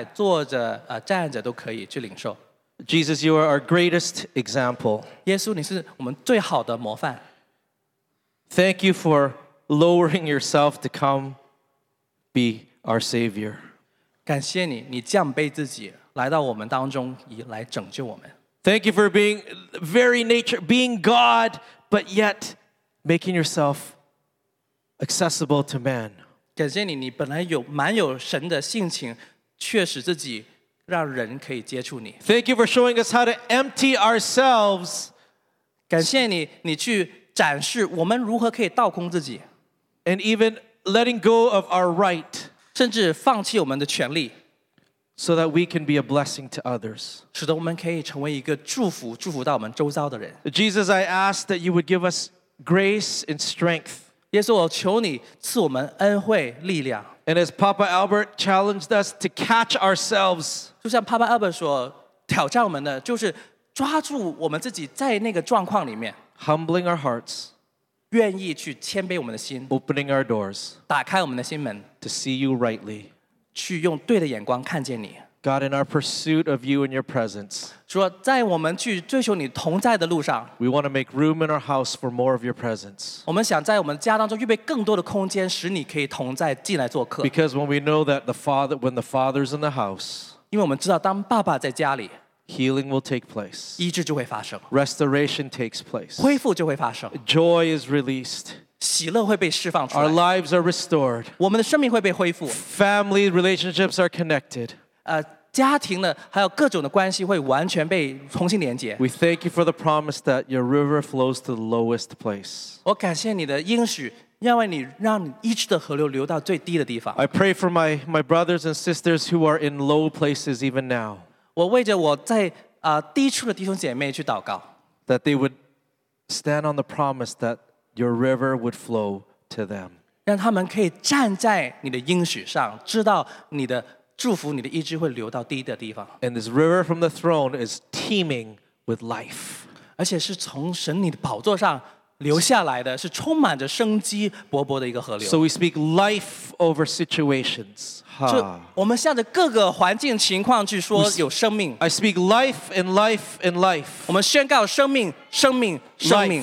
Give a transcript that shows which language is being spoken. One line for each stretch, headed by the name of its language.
Chinese: 无论你怎么样去的姿态，坐着、站着都可以去领受。
English: Jesus, you are our greatest example.
Chinese: 耶稣，你是我们最好的模范。
English: Thank you for lowering yourself to come be our Savior.
Chinese: 感谢你，你降卑自己，来到我们当中，来拯救我们。
English: Thank you for being very nature, being God, but yet making yourself accessible to man.
Chinese: 感谢你，你本来有蛮有神的性情。却使自己让人可以接触你。
English: Thank you for showing us how to empty ourselves.
Chinese: 感谢你，你去展示我们如何可以倒空自己。
English: And even letting go of our right.
Chinese: 甚至放弃我们的权利。
English: So that we can be a blessing to others.
Chinese: 使得我们可以成为一个祝福，祝福到我们周遭的人。
English: Jesus, I ask that you would give us grace and strength.
Chinese: 耶稣，我求你赐我们恩惠力量。
English: And as Papa Albert challenged us to catch ourselves,
Chinese: 就像 Papa Albert 所挑战我们的，就是抓住我们自己在那个状况里面。
English: Humbling our hearts,
Chinese: 愿意去谦卑我们的心。
English: Opening our doors,
Chinese: 打开我们的心门。
English: To see you rightly.
Chinese: 去用对的眼光看见你。
English: God, in our pursuit of you and your presence,
Chinese: 说在我们去追求你同在的路上，
English: we want to make room in our house for more of your presence.
Chinese: 我们想在我们家当中预备更多的空间，使你可以同在进来做客。
English: Because when we know that the Father, when the Father's in the house,
Chinese: 因为我们知道当爸爸在家里，
English: healing will take place.
Chinese: 医治就会发生。
English: Restoration takes place.
Chinese: 恢复就会发生。
English: Joy is released.
Chinese: 喜乐会被释放出来。
English: Our lives are restored.
Chinese: 我们的生命会被恢复。
English: Family relationships are connected.
Chinese: 家庭的还有各种的关系会完全被重新连接。
English: We thank you for the promise that your river flows to the lowest place.
Chinese: 我感谢你的应许，因为你让一直的河流流到最低的地方。
English: I pray for my brothers and sisters who are in low places even now.
Chinese: 我为着我在低处的弟兄姐妹去祷告。
English: That they would stand on the promise that. Your river would flow to them.
Chinese: 让他们可以站在你的应许上，知道你的祝福，你的医治会流到低的地方。
English: And this river from the throne is teeming with life.
Chinese: 而且是从神你的宝座上流下来的，是充满着生机勃勃的一个河流。
English: So we speak life over situations.
Chinese: 我们向着各个环境情况去说有生命。
English: I speak life and life and life.
Chinese: 我们宣告生命，生命，生命。